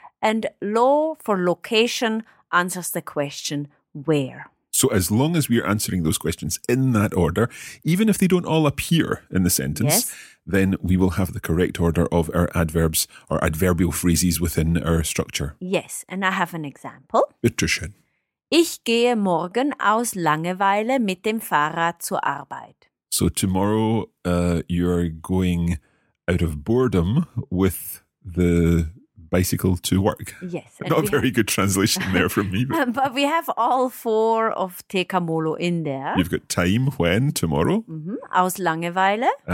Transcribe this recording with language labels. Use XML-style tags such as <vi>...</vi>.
<en>And lo for location answers the question where. So as long as we are answering those questions in that order, even if they don't all appear in the sentence, yes, then we will have the correct order of our adverbs or adverbial phrases within our structure. Yes, and I have an example.</en> <de>Bitte schön. Ich gehe morgen aus Langeweile mit dem Fahrrad zur Arbeit.</de> <en>So tomorrow you are going out of boredom with the bicycle to work. Yes. Not a very good translation there from me. But we have all four of Tecamolo in there. You've got time, when, tomorrow.</en> <de>Mm-hmm. Aus Langeweile.</de>